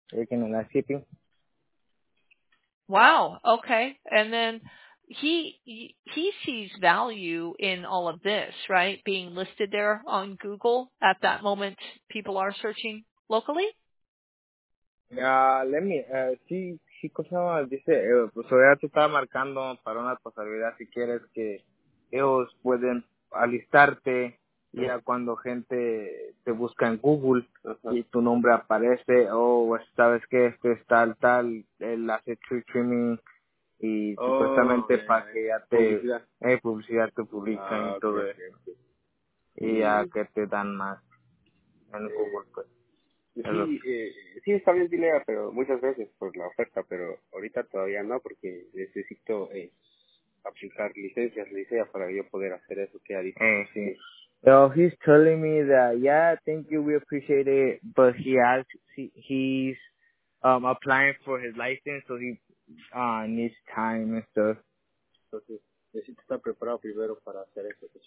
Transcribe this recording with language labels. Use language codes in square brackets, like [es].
[en] Working at landscaping. Wow. Okay, and then. he sees value in all of this, right? Being listed there on Google at that moment, people are searching locally. Let me see. [es] Sí, cosa dice, pues ya te estaba marcando para una posibilidad si quieres que ellos pueden alistarte ya cuando gente te busca en Google y tu nombre aparece, sabes que este es tal, él hace [en] tree trimming [es] y supuestamente para que ya te publicidad te publican y todo eso. Y ya que te dan más en Google, pues. Sí, sí está bien dilea, pero muchas veces por la oferta, pero ahorita todavía no, porque necesito aplicar licencias para yo poder hacer eso que ha dicho. Sí. [en] So he's telling me that, thank you, we appreciate it, but he's applying for his license, so he needs time and stuff. [es] Entonces, necesito estar preparado primero para hacer eso.